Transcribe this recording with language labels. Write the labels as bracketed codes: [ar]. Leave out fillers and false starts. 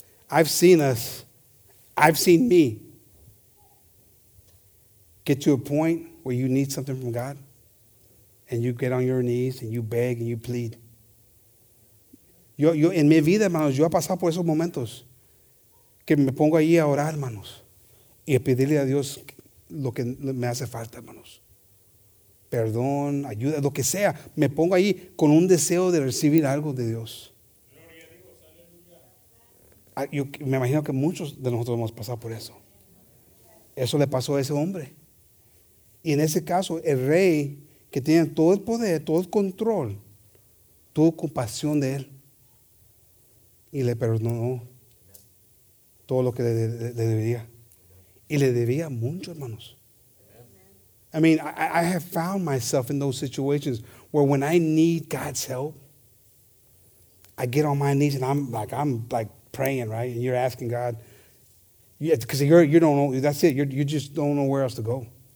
[en] I've seen us. I've seen me get to a point where you need something from God and you get on your knees and you beg and you plead. [es] Yo en mi vida, hermanos, yo he pasado por esos momentos que me pongo ahí a orar, hermanos, y a pedirle a Dios lo que me hace falta, hermanos. Perdón, ayuda, lo que sea. Me pongo ahí con un deseo de recibir algo de Dios. Yo me imagino que muchos de nosotros hemos pasado por eso. Eso le pasó a ese hombre. Y en ese caso, el rey que tiene todo el poder, todo el control, tuvo compasión de él. Y le perdonó todo lo que le debía. Y le debía mucho, hermanos. [en] I mean, I have found myself in those situations where when I need God's help, I get on my knees and I'm like praying, right? And you're asking God. Because you don't know, that's it. You just don't know where else to go.